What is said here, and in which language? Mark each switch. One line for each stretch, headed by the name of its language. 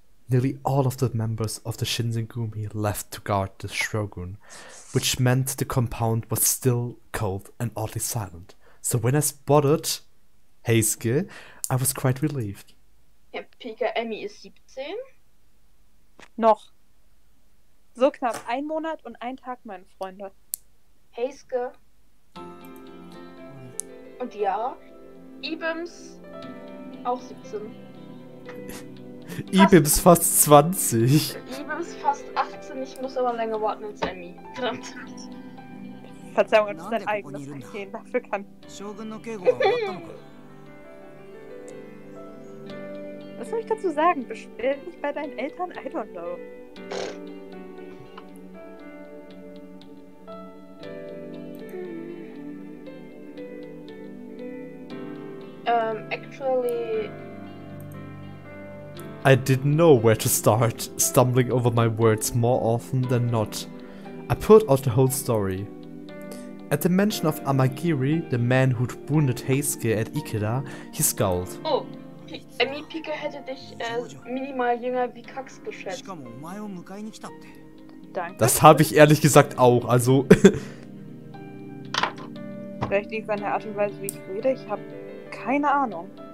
English: Nearly all of the members of the Shinsengumi left to guard the Shrogun, which meant the compound was still cold and oddly silent. So when I spotted Heisuke, I was quite relieved.
German: Herr Pika, Emmy ist 17. Noch. So knapp ein Monat und ein Tag, meine Freunde. Heisuke. Und ja, Ibims auch 17. Ibims fast 20. Ibims fast 18, ich muss aber länger warten als Emmy. Verdammt. Verzeihung, das ist dein eigenes Verstehen, dafür kann. Was soll ich dazu sagen? Beschwer dich bei deinen Eltern?
English: I don't know. Actually. I didn't know where to start, stumbling over my words more often than not. I pulled out the whole story. At the mention of Amagiri, the man who'd wounded Heisuke at Ikeda, he scowled.
German: Oh, Emmy Pika hätte dich minimal jünger wie Kax geschätzt. Danke. Das habe ich ehrlich gesagt auch, also... Vielleicht liegt es an der Art und Weise, wie ich rede, ich habe keine Ahnung.